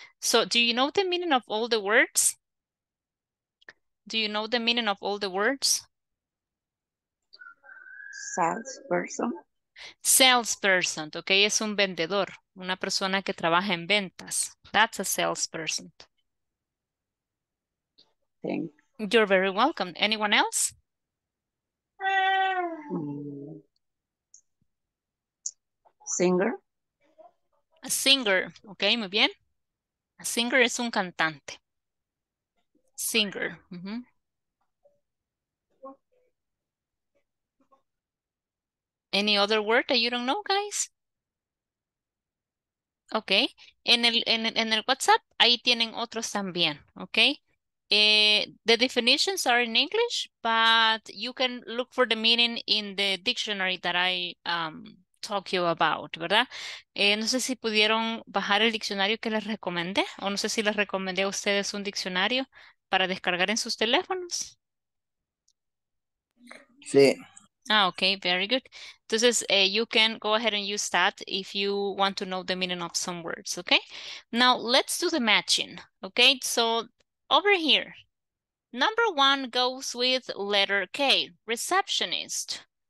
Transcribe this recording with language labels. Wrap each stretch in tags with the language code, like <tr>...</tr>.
<en>So do you know the meaning of all the words? Do you know the meaning of all the words? Salesperson.</en> <es>Salesperson, okay, es un vendedor, una persona que trabaja en ventas.</es> <en>That's a salesperson. Thanks. You're very welcome. Anyone else? Singer. A singer, okay,</en> <es>muy bien.</es> <en>A singer</en> <es>es un cantante.</es> <en>Singer. Mm-hmm. Any other word that you don't know, guys? Okay.</en> <es>En el WhatsApp, ahí tienen otros también, okay?</es> <en>The definitions are in English, but you can look for the meaning in the dictionary that I talk you about, ¿verdad?</en> <es>No sé si pudieron bajar el diccionario que les recomendé, o no sé si les recomendé a ustedes un diccionario para descargar en sus teléfonos. Sí.</es> <en>Ah, okay, very good. Entonces, you can go ahead and use that if you want to know the meaning of some words, okay? Now, let's do the matching, okay? So, over here, number one goes with letter K, receptionist.</en>